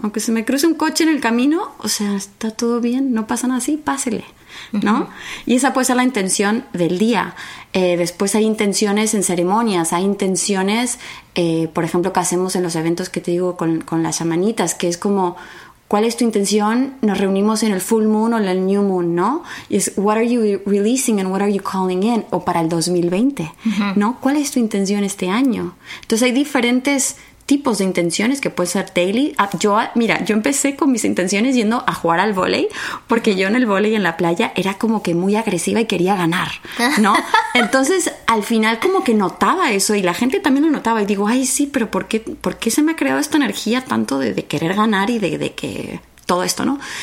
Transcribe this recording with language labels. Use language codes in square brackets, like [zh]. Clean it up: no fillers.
[es] Aunque se me cruce un coche en el camino, o sea, está todo bien, no pasa nada, sí, pásele, ¿no? Uh-huh. Y esa puede ser la intención del día. Después hay intenciones en ceremonias, hay intenciones, por ejemplo, que hacemos en los eventos que te digo con las chamanitas, que es como, ¿cuál es tu intención? Nos reunimos en el [en] full moon [es] o en el [en] new moon, [es] ¿no? Y es, [en] what are you releasing and what are you calling in? [es] O para el 2020, uh-huh. ¿no? ¿Cuál es tu intención este año? Entonces hay diferentes tipos de intenciones que pueden ser daily. Yo empecé con mis intenciones yendo a jugar al vóley, porque yo en el vóley en la playa era como que muy agresiva y quería ganar, ¿no? Entonces, al final como que notaba eso y la gente también lo notaba y digo, ay, sí, pero ¿por qué se me ha creado esta energía tanto de querer ganar y de que todo esto, ¿no?